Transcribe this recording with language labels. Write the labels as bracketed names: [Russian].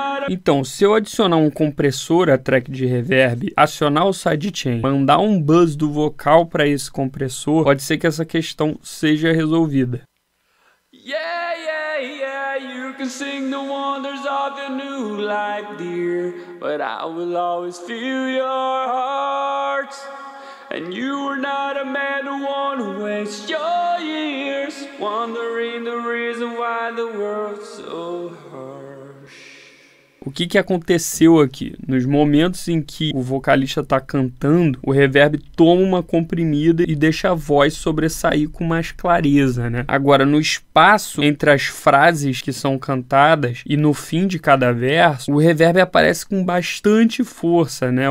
[Portuguese] Então, se eu adicionar um compressor à track de reverb, acionar o sidechain, mandar um buzz do vocal para esse compressor, pode ser que essa questão seja resolvida. [English] Yeah, yeah, yeah, you can sing the wonders of your new life, dear, but I will always feel your heart, and you are not a man who wants to waste your years wondering the reason why the world's so hard. [Portuguese] O que que aconteceu aqui? Nos momentos em que o vocalista está cantando, o reverb toma uma comprimida e deixa a voz sobressair com mais clareza, né? Agora, no espaço entre as frases que são cantadas e no fim de cada verso, o reverb aparece com bastante força, né?